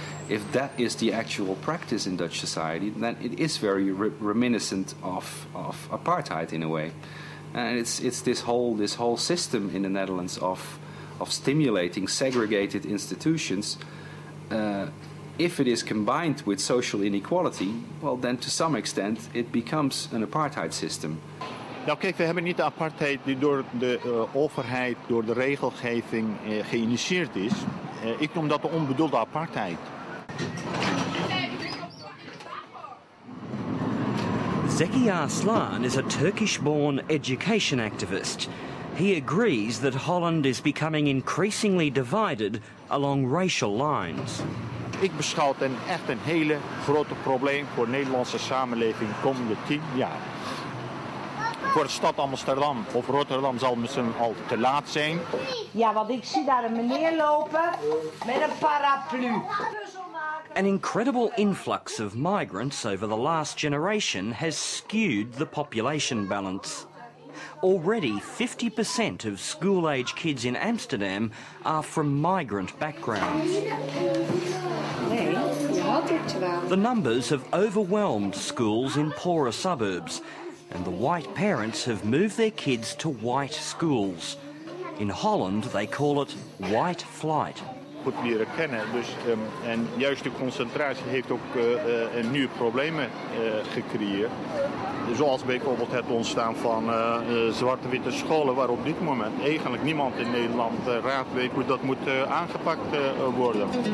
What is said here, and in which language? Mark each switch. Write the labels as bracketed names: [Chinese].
[English] If that is the actual practice in Dutch society, then it is very reminiscent of apartheid in a way. And it's this whole system in the Netherlands of stimulating segregated institutions. If it is combined with social inequality, well, then to some extent it becomes an apartheid system. [Dutch] Nou kijk, we hebben niet de apartheid die door de overheid, door de regelgeving geïnitieerd is. Ik noem dat de onbedoelde apartheid. [English] Zeki Arslan is a Turkish-born education activist. He agrees that Holland is becoming increasingly divided along racial lines. [Dutch] Ik beschouw het echt een hele grote probleem voor de Nederlandse samenleving de komende 10 jaar. Voor de stad Amsterdam of Rotterdam zal misschien al te laat zijn. Ja, want ik zie daar een meneer lopen met een paraplu. [English] An incredible influx of migrants over the last generation has skewed the population balance. Already 50% of school-age kids in Amsterdam are from migrant backgrounds. The numbers have overwhelmed schools in poorer suburbs. And the white parents have moved their kids to white schools. In Holland, they call it white flight. [Dutch] Goed leren kennen, dus en juist de concentratie heeft ook nieuwe problemen gecreëerd. Zoals bijvoorbeeld het ontstaan van zwarte-witte scholen, waar op dit moment eigenlijk niemand in Nederland raad weet hoe dat moet aangepakt worden.